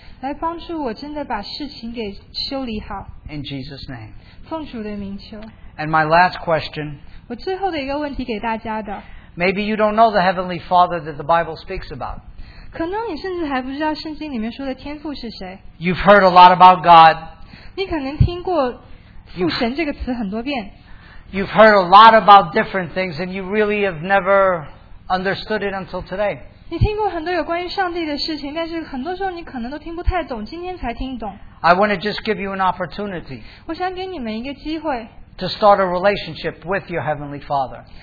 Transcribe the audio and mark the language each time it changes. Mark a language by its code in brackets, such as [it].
[zh] 来帮助我真的把事情给修理好, [en] in Jesus' name. [zh] 奉主的名求, [en] and my last question, [zh] 我最后的一个问题给大家的, [en] maybe you don't know the Heavenly Father that the Bible speaks about. [zh] 可能你甚至还不知道圣经里面说的天父是谁。 [en] You've heard a lot about God. [zh] 你可能听过父神这个词很多遍。 [en] you've heard a lot about different things and you really have never understood it until today. I want to just give you an opportunity to start a relationship with your Heavenly Father.